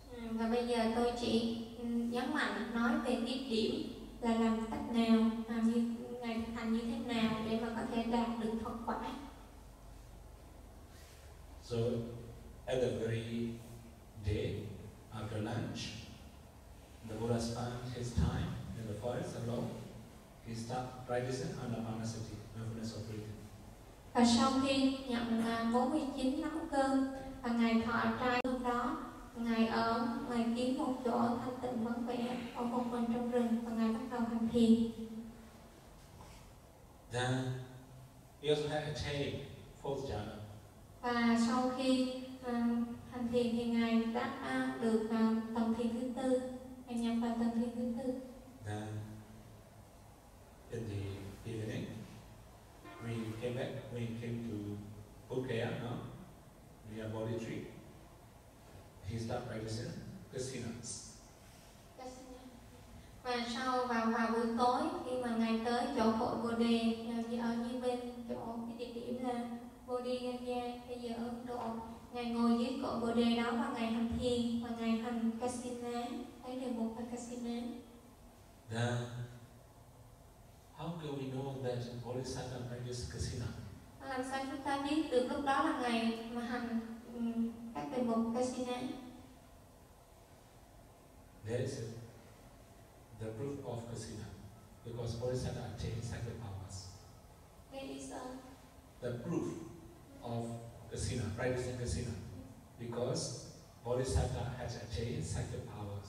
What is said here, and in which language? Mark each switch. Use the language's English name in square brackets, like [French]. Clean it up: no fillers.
[Vietnamese] Và bây giờ tôi chỉ nhấn mạnh nói về tiếp điểm là làm cách nào, làm như ngày thành như thế nào để mà có thể đạt được Phật quả. [English] So at the very day after lunch, the Buddha spent his time in the forest alone. He started practicing Anapanasati, mindfulness of breathing. [Vietnamese] Và sau khi nhận 49 năm cơn và ngài thọ trai hôm đó, ngài ở ngoài kiếm một chỗ thanh tịnh vắng vẻ ở một mình trong rừng và ngài bắt đầu hành thiền. [English] Then he also had attained fourth jhana. [Vietnamese] Và sau khi hành thiền thì ngài đã được tầng thiền thứ tư, ngài nhập vào tầng thiền thứ tư. [English] Then in the evening we came back, we came to Pukaya, no? Near Bodhi tree. He started practicing Kasinas. [Vietnamese] Và sau vào buổi tối khi mà ngài tới chỗ cội Bồ Đề ở dưới bên chỗ cái địa điểm là Bồ Đề Ganga bây giờ Ấn Độ, ngài ngồi dưới cội Bồ Đề đó và ngài hành thiền và ngài hành Kasina, thấy được một phần Kasina. [English] Then how can we know that Bodhisattva practice Kasina? [Vietnamese] Làm sao chúng ta biết được lúc đó là ngài mà hành các đề mục Kasina? [English] There is the proof of Kasina, because Bodhisattva attained sacred powers. There is the proof of Kasina, practicing Kasina, because Bodhisattva has attained sacred powers.